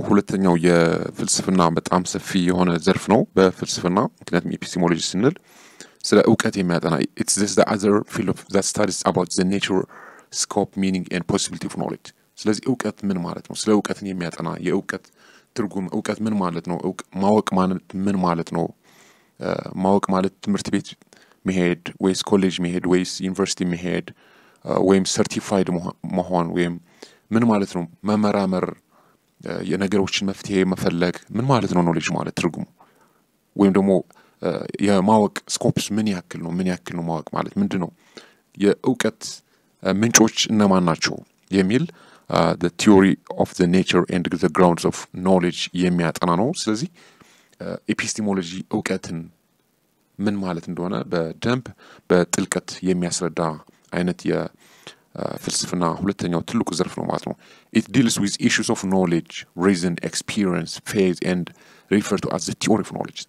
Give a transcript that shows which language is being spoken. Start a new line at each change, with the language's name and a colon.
Amharic: ሁለተኛው የፍልስፍና በጣም ሰፊ የሆነ ዘርፍ ነው። በፍልስፍና ምክንያቱም ኤፒስቴሞሎጂ ስንል ስለ እውቀት የሚያጠና
English: it's the other field of that studies about the nature scope meaning and possibility of knowledge.
Amharic: ስለዚህ እውቀት ምን ማለት ነው? ስለ እውቀትን የሚያጠና የእውቀት ትርጉም እውቀት ምን ማለት ነው? ማወቅ ማለት ምን ማለት ነው? ማወቅ ማለት ትምህርት ቤት መሄድ ወይስ ኮሌጅ መሄድ ወይስ ዩኒቨርሲቲ መሄድ ወይም ሰርቲፋይድ መሆን ወይም ምን ማለት ነው? መመራመር የነገሮችን መፍትሄ መፈለግ ምን ማለት ነው? ኖሌጅ ማለት ትርጉሙ ወይም ደግሞ የማወቅ ስኮፕስ ምን ያክል ነው ማወቅ ማለት ምንድነው? የእውቀት ምንጮች እነማን ናቸው የሚል
English: the theory of the nature and the grounds of knowledge
Amharic: የሚያጠና ነው። ስለዚህ ኤፒስቴሞሎጂ እውቀትን ምን ማለት እንደሆነ በደንብ በጥልቀት የሚያስረዳ አይነት የፍልስፍና ሁለተኛው ትልቁ ዘርፍ ነው ማለት ነው።
English: It deals with issues of knowledge, reason, experience, faith and referred to as the theory of knowledge.